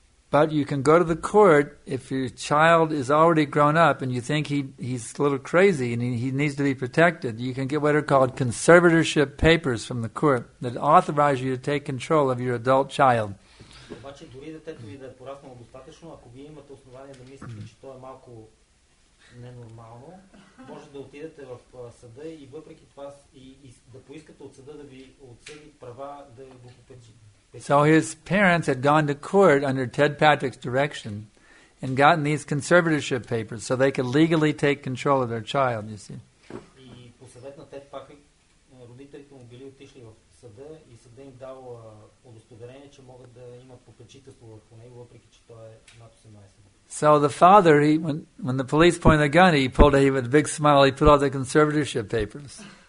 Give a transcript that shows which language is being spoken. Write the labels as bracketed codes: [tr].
[en] But you can go to the court if your child is already grown up and you think he's a little crazy and he needs to be protected. You can get what are called conservatorship papers from the court that authorize you to take control of your adult child. [bg] Обаче дори детето ви да е пораснало достатъчно, ако вие имате основание да мислите, че то е малко ненормално, може да отидете в съда и въпреки това и да поискате от съда да ви отсъди права да го попечи. [en] So his parents had gone to court under Ted Patrick's direction and gotten these conservatorship papers so they could legally take control of their child, you see. [bg] И по съвет на Ted Patrick, родителите му били отишли в съда и съда им дал удостоверение, че могат да имат попечителство върху него, въпреки че той е над 18. [en] So the father, when the police pointed the gun, he pulled it with a big smile, he put all the conservatorship papers.